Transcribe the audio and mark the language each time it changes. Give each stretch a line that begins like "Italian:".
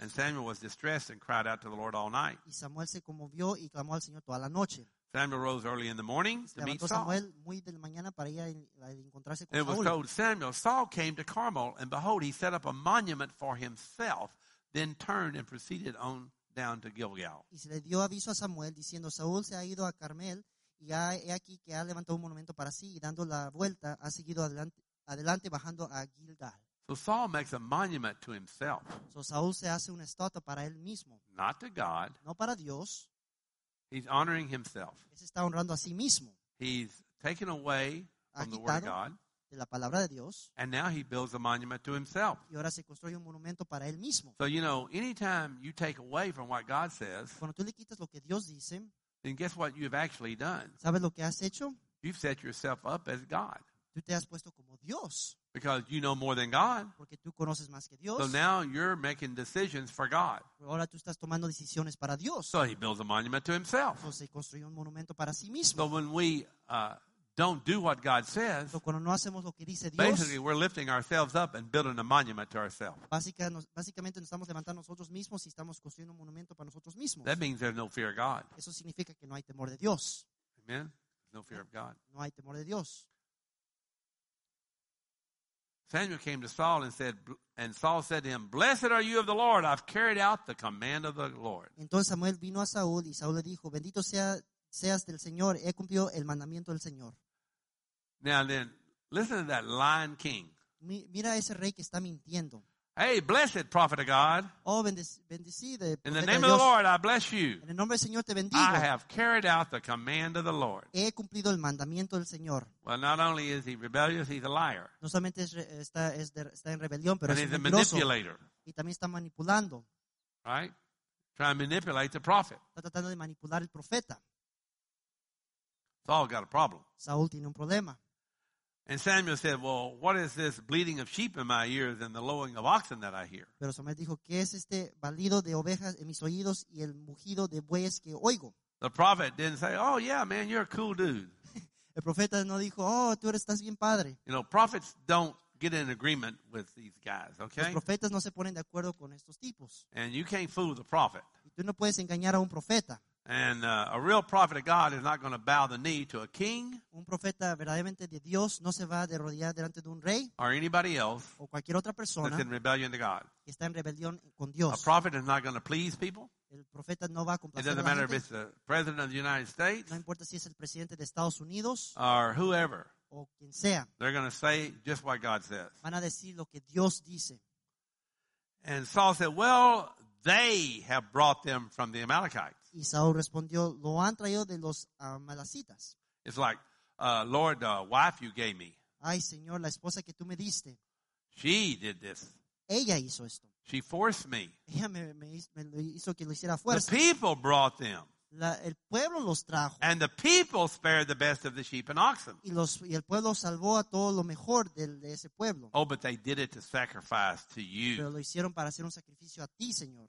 English: And Samuel was distressed and cried out to the Lord all night.
Spanish: Y Samuel se conmovió y clamó al Señor toda la noche.
English: Samuel rose early in the morning to meet Saul.
Spanish: Samuel muy de la mañana para ir a encontrarse con Saul.
English: It was told Samuel, Saul came to Carmel, and behold, he set up a monument for himself, then turned and proceeded on down to Gilgal.
Spanish: Y se le dio aviso a Samuel diciendo, Saúl se ha ido a Carmel. Y he aquí que ha levantado un monumento para sí y dando la vuelta ha seguido adelante bajando a Gilgal.
English: So Saul makes a monument to himself.
Spanish: So Saúl se hace una estatua para él mismo.
English: Not to God.
Spanish: No para Dios.
English: He's honoring himself.
Spanish: Se está honrando a sí mismo.
English: He's taken away from the word of God.
Spanish: De la palabra de Dios.
English: And now he builds a monument to himself.
Spanish: Y ahora se construye un monumento para él mismo.
English: So you know, anytime you take away from what God says,
Spanish: cuando tú le quitas lo que Dios dice,
English: then guess what you've actually done?
Spanish: ¿Sabes lo que has hecho?
English: You've set yourself up as God.
Spanish: Tú te has puesto como Dios.
English: Because you know more than God.
Spanish: Porque tú conoces más que Dios.
English: So now you're making decisions for God.
Spanish: Ahora tú estás tomando decisiones para Dios.
English: So he builds a monument to himself.
Spanish: Entonces, se construye un monumento para sí mismo.
English: So when we don't do what God says,
Spanish: pero cuando no hacemos lo que dice Dios,
English: basically we're lifting ourselves up and building a monument to ourselves.
Spanish: Básicamente nos estamos levantando nosotros mismos y estamos construyendo un monumento para nosotros mismos.
English: That means there's no fear of God.
Spanish: Eso significa que no hay temor de Dios.
English: Amen. No fear of God.
Spanish: No hay temor de Dios.
English: Samuel came to Saul and said, and Saul said to him, "Blessed are you of the Lord. I've carried out the command of the Lord."
Spanish: Entonces Samuel vino a Saúl y Saúl le dijo, "Bendito sea seas del Señor, he cumplido el mandamiento del Señor."
English: Now then, listen to that lion king.
Spanish: Mira ese rey que está mintiendo.
English: Hey, blessed prophet of God.
Spanish: Oh, bendecido.
English: In the name of the Lord, I bless you.
Spanish: En el nombre del Señor te bendigo.
English: I have carried out the command of the Lord.
Spanish: He cumplido el mandamiento del Señor.
English: Well, not only is he rebellious, he's a liar.
Spanish: No solamente está en rebelión, pero es manipulador. Y también está manipulando.
English: Right? Trying to manipulate the prophet.
Spanish: Está tratando de manipular el profeta.
English: Saul got a problem.
Spanish: Saul tiene un problema.
English: And Samuel said, "Well, what is this bleating of sheep in my ears and the lowing of oxen that I hear?"
Spanish: Pero Samuel dijo, "¿Qué es este balido de ovejas en mis oídos y el mugido de bueyes que oigo?"
English: The prophet didn't say, "Oh yeah, man, you're a cool dude."
Spanish: El profeta no dijo, "Oh, tú estás bien padre."
English: You know, prophets don't get in agreement with these guys, okay?
Spanish: Los profetas no se ponen de acuerdo con estos tipos.
English: And you can't fool the prophet.
Spanish: Y tú no puedes engañar a un profeta.
English: And a real prophet of God is not going to bow the knee to a king.
Spanish: Un profeta verdaderamente de Dios no se va a arrodillar delante de un rey.
English: Or anybody else.
Spanish: O cualquier otra persona.
English: That's in rebellion to God.
Spanish: Que está en rebelión con Dios.
English: A prophet is not going to please people.
Spanish: El profeta no va a complacer a la gente.
English: It doesn't matter if it's the president of the United States.
Spanish: No importa si es el presidente de Estados Unidos.
English: Or whoever.
Spanish: O quien sea.
English: They're going to say just what God says.
Spanish: Van a decir lo que Dios dice.
English: And Saul said, "Well, they have brought them from the Amalekites."
Spanish: Y Saúl respondió, lo han traído de los malacitas.
English: It's like, "Lord, the wife you gave me."
Spanish: Ay, Señor, la esposa que tú me diste.
English: She did this.
Spanish: Ella hizo esto.
English: She forced me.
Spanish: Ella me hizo que lo hiciera fuerza.
English: The people brought them.
Spanish: El pueblo los trajo.
English: And the people spared the best of the sheep and oxen.
Spanish: Y el pueblo salvó a todo lo mejor de ese pueblo.
English: Oh, but they did it to sacrifice to you.
Spanish: Pero lo hicieron para hacer un sacrificio a ti, Señor.